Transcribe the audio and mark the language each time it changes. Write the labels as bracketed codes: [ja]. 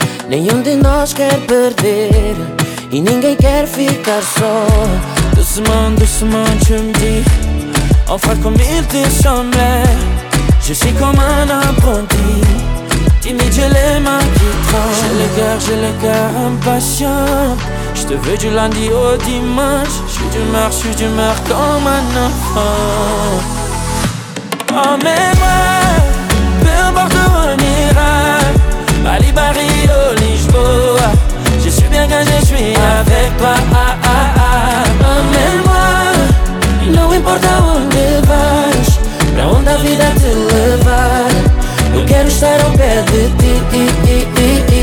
[pt] Nenhum de nós quer perder e ninguém quer ficar só. [fr] Doucement, doucement, tu me dis, enfin comme il te semblait. Je suis comme un apprenti, timide, j'ai les mains qui tremblent. J'ai le cœur impatient. Je te veux du lundi au dimanche. Je suis d'humeur comme un enfant. Oh, mais moi, peu importe où on ira, Bali, Paris ou Lisboa, je suis bien quand je suis avec toi. [pt] Oh, mais moi, non importe onde vas, pra onde a vida te levar, eu quero estar ao pé de ti.